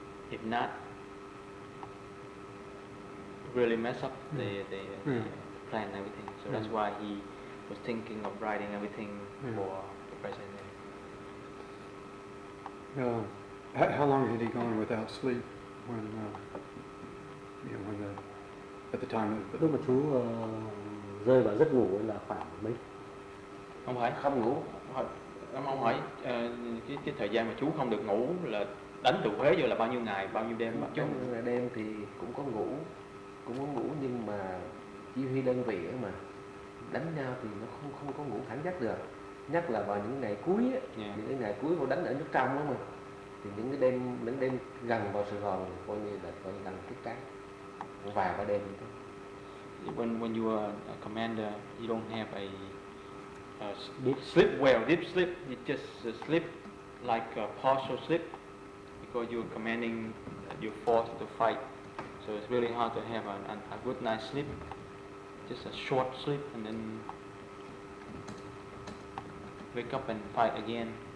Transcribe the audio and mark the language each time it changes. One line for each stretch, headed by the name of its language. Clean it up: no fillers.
English: If not, really mess up the plan and everything. So that's why he was thinking of writing everything for the President Minh. How long had he gone without sleep when, at the time of
Vietnamese: the... Lúc mà chú rơi vào giấc ngủ là khoảng mấy? Không phải, không ngủ. Ông hỏi cái thời gian mà chú không được ngủ là đánh từ Huế vô là bao nhiêu ngày, bao nhiêu đêm? Bao nhiêu ngày đêm thì cũng có ngủ nhưng mà chỉ huy đơn vị ấy mà đánh nhau thì nó không có ngủ thẳng giấc được. Nhất là vào những ngày cuối, những cái ngày cuối họ đánh ở nước trong đó mà. Thì những đêm gần vào Sài Gòn coi như gần tiết cá vài ba đêm thôi.
English: When you are a commander, you don't have a deep sleep, you just sleep like a partial sleep because you're commanding your force to fight. So it's really hard to have a good night's sleep, just a short sleep and then wake up and fight again.